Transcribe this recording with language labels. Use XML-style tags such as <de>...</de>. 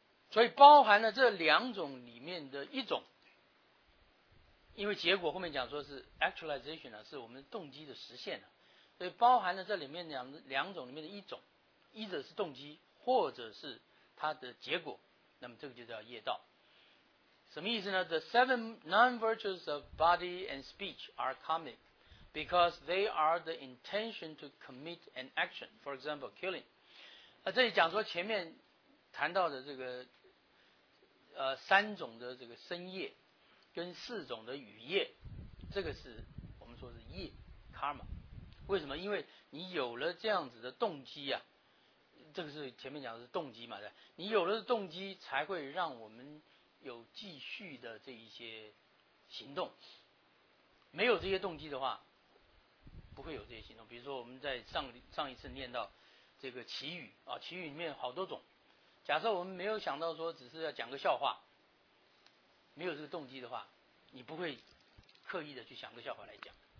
<zh>所以包含了这两种里面的一种，因为结果后面讲说是 actualization 呢，是我们动机的实现呢，所以包含了这里面两种里面的一种，一者是动机，或者是它的结果，那么这个就叫业道。什么意思呢</zh> <en>？The seven non-virtues of body and speech are karmic because they are the intention to commit an action. For example, killing.</en> <zh>那这里讲说前面谈到的这个三种的这个身业，跟四种的语业，这个是我们说是业 karma。为什么？因为你有了这样子的动机啊，这个是前面讲的是动机嘛，对，你有了动机才会让我们有继续的这一些行动，没有这些动机的话不会有这些行动。比如说我们在上一次念到这个祈语啊，祈语里面好多种，假设我们没有想到说只是要讲个笑话，没有这个动机的话，你不会刻意的去想个笑话来讲，</zh>